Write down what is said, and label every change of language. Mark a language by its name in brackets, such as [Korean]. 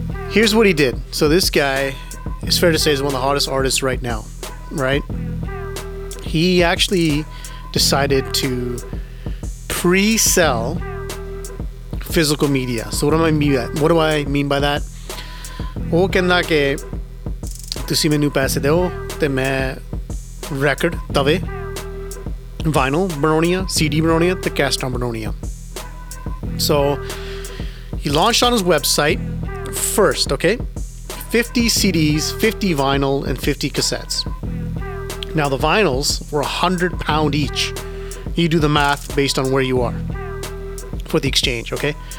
[English] Here's what he did. So this guy, it's fair to say, is one of the hottest artists right now, right? He actually decided to pre-sell physical media. So what do I mean by that? [Punjabi] ਉਹ, ਕਹਿੰਦਾ ਕੇ ਤੁਸੀਂ ਮੈਨੂੰ ਪੈਸੇ ਦਿਓ ਤੇ ਮੈਂ record ਤਵੇ vinyl ਬਣਾਉਣੀਆਂ, ਸੀਡੀ ਬਣਾਉਣੀਆਂ ਤੇ ਕੈਸੇਟ ਬਣਾਉਣੀਆਂ. [English] So he launched on his website first, okay? 50 CDs, 50 vinyl and 50 cassettes. Now the vinyls were £100 each. You do the math based on where you are for the exchange, okay?